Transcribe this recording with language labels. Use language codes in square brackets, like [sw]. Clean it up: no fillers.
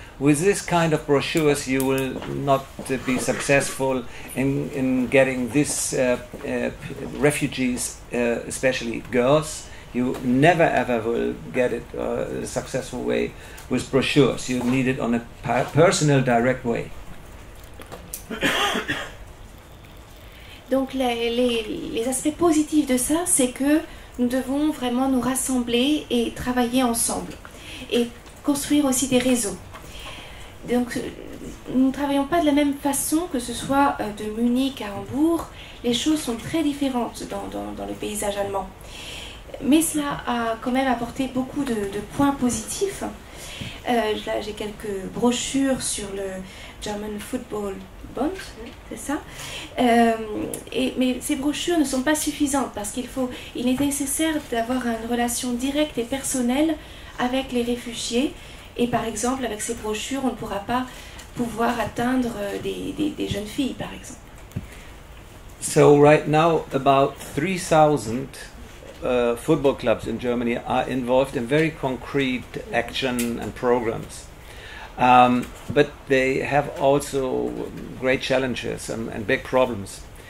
[en] With this kind of brochures, you will not be successful in getting these refugees, especially girls. You never ever will get it a successful way with brochures. You need it on a personal, direct way. [fr] Donc les aspects positifs de ça, c'est que nous devons vraiment nous rassembler et travailler ensemble et construire aussi des réseaux. Donc nous ne travaillons pas de la même façon, que ce soit de Munich à Hambourg. Les choses sont très différentes dans le paysage allemand. Mais cela a quand même apporté beaucoup de points positifs. Là, j'ai quelques brochures sur le German Football Bond, c'est ça. Mais ces brochures ne sont pas suffisantes parce qu'il est nécessaire d'avoir une relation directe et personnelle avec les réfugiés. Et par exemple, avec ces brochures, on ne pourra pas pouvoir atteindre des jeunes filles, par exemple. [en] So right now, about 3,000 football clubs in Germany are involved in very concrete action and programs. But they have also great challenges and big problems.